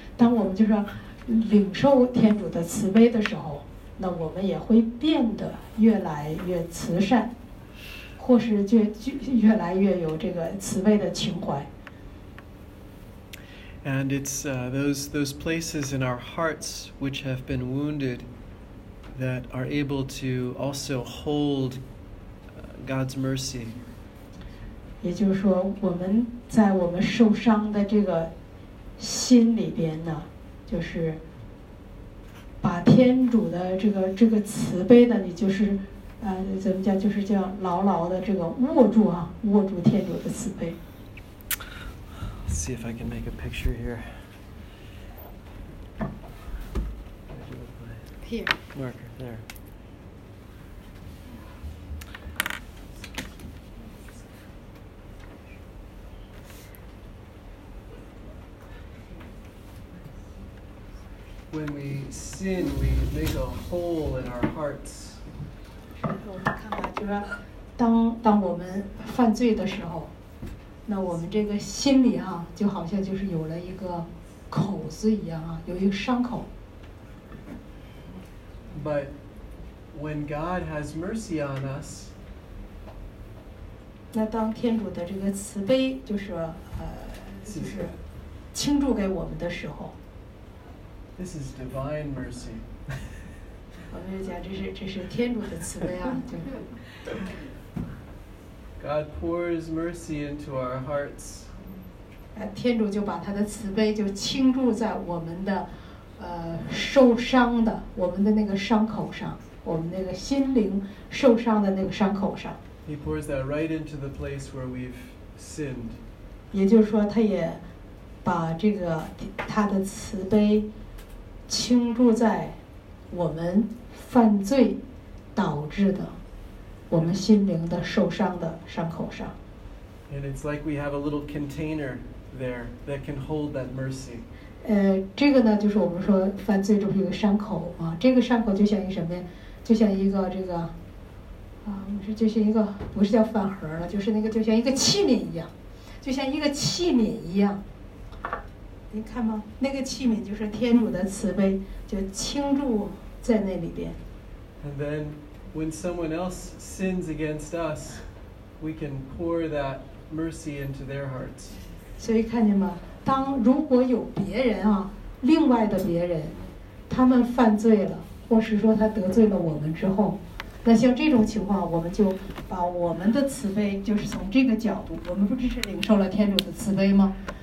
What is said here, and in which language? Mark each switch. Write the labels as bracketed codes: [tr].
[zh] 当我们就是领受天主的慈悲的时候，那我们也会变得越来越慈善，或是越来越有这个慈悲的情怀。 [en] And it's those places in our hearts which have been wounded that are able to also hold God's mercy. [zh] 也就是说，我们在我们受伤的这个心里边呢，就是。把天主的这个慈悲呢，你就是，怎么讲，就是叫牢牢的这个握住啊，握住天主的慈悲。 [en] Let's see if I can make a picture here. Here. Marker there. When we sin, we make a hole in our hearts. [zh] 我们看看，就是当我们犯罪的时候，那我们这个心里啊，就好像就是有了一个口子一样啊，有一个伤口。 [en] But when God has mercy on us, [zh] 那当天主的这个慈悲就是就是倾注给我们的时候， [en] This is divine mercy. [zh] 我们就讲这是天主的慈悲啊。 [en] God pours mercy into our hearts. [zh] 天主就把他的慈悲就倾注在我们的受伤的我们的那个伤口上，我们那个心灵受伤的那个伤口上。 [en] He pours that right into the place where we've sinned. [zh] 也就是说，他也把这个他的慈悲倾注在我们犯罪导致的。我们心灵的受伤的伤口上。 [en] And it's like we have a little container there that can hold that mercy. [zh] 这个呢，就是我们说犯罪中一个伤口啊，这个伤口就像一个什么呀？就像一个这个，就像一个不是叫饭盒了，就是那个就像一个器皿一样，就像一个器皿一样。您看吗？那个器皿就是天主的慈悲，就倾注在那里边。 [en] And then. When someone else sins against us, we can pour that mercy into their hearts. [zh] 所以看见吗？当如果有别人啊，另外的别人，他们犯罪了，或是说他得罪了我们之后，那像这种情况，我们就把我们的慈悲，就是从这个角度，我们不只是领受了天主的慈悲吗？